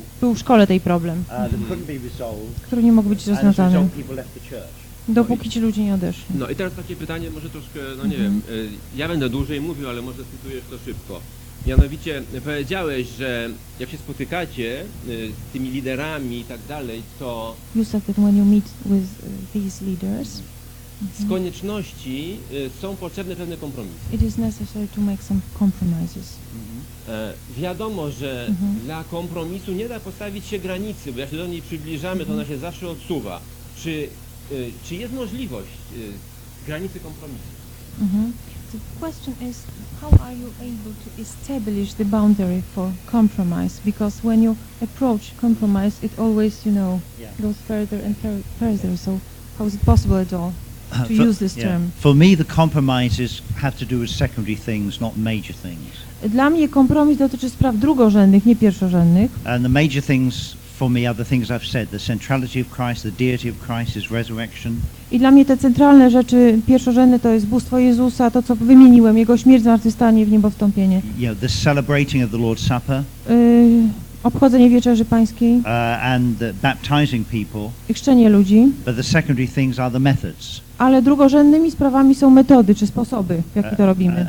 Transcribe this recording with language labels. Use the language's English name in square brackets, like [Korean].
[Polish] Był w szkole tej problem, który nie mógł być rozwiązany, dopóki ci ludzie nie odeszli. No i teraz takie pytanie, może troszkę, no nie wiem, ja będę dłużej mówił, ale może cytujesz to szybko. Mianowicie powiedziałeś, że jak się spotykacie z tymi liderami i tak dalej, to [English] you said that when you meet with these leaders, [Polish] z konieczności są potrzebne pewne kompromisy. [English] It is necessary to make some compromises. [Polish] Wiadomo, że dla kompromisu nie da postawić się granicy, bo jak się do niej przybliżamy, to ona się zawsze odsuwa. Czy jest możliwość granicy kompromisu? [English] The question is, how are you able to establish the boundary for compromise? Because when you approach compromise, it always, you know, goes further and further. So how is it possible at all to use this term? For me, the compromises have to do with secondary things, not major things. [Polish] Dla mnie kompromis dotyczy spraw drugorzędnych, nie pierwszorzędnych. [English] And the major things for me are the things I've said, the centrality of Christ, the deity of Christ, his resurrection. [Polish] I dla mnie te centralne rzeczy, pierwszorzędne, to jest bóstwo Jezusa, to co wymieniłem, Jego śmierć, zmartwychwstanie, w niebo wstąpienie. [English] Yeah, the celebrating of the Lord's Supper. [Polish] Obchodzenie Wieczerzy Pańskiej. [English] And the baptizing people. [Polish] I chrzczenie ludzi. [English] But the secondary things are the methods. [Polish] Ale drugorzędnymi sprawami są metody, czy sposoby, w jaki to robimy.